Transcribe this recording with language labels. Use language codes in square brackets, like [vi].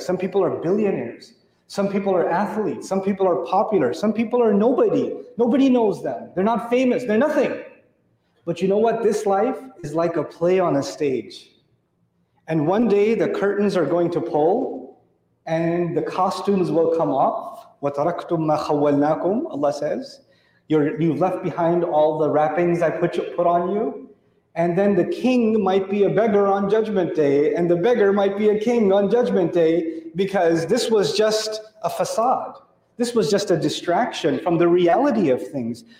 [en] Some people are billionaires. Some people are athletes. Some people are popular. Some people are nobody. Nobody knows them. They're not famous. They're nothing. But you know what? This life is like a play on a stage. And one day the curtains are going to pull and the costumes will come off. [ar] وَتَرَكْتُمْ مَا خَوَّلْنَاكُمْ, [en] Allah says. You've left behind all the wrappings I put on you. And then the king might be a beggar on Judgment Day, and the beggar might be a king on Judgment Day, because this was just a facade. This was just a distraction from the reality of things.